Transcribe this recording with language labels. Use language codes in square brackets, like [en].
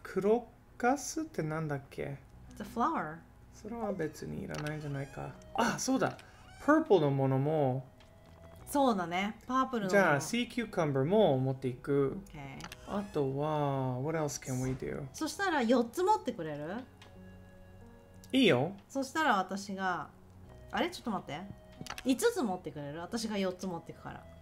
[ja] Crocus ってなんだっけ? [en] It's a flower. [ja] それは別にいらないんじゃないか。あ、そうだ!purple のものも。そうだね、purple のもの。じゃあ、sea cucumber も持っていく。 [en] Okay. [ja] あとは、 [en] what else can we do? [ja] そしたら4つ持ってくれる？いいよ。そしたら私が、あれ？ちょっと待って。5つ持ってくれる？私が4つ持っていくから。